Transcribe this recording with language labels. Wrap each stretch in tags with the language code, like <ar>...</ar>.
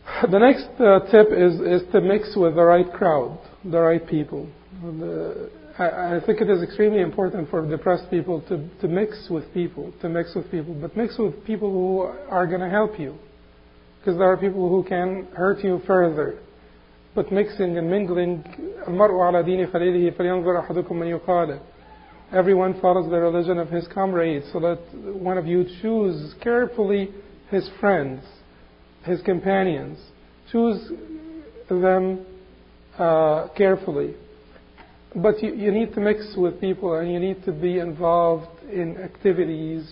<en>The next tip is to mix with the right crowd, the right people. I think it is extremely important for depressed people to mix with people, but mix with people who are going to help you, because there are people who can hurt you further. But mixing and mingling,</en> <ar>المرء على دين خليله فلينظر أحدكم من يقاله.</ar> <en>Everyone follows the religion of his comrades, so let one of you choose carefully his friends, his companions. Choose them carefully. But you need to mix with people, and you need to be involved in activities.</en>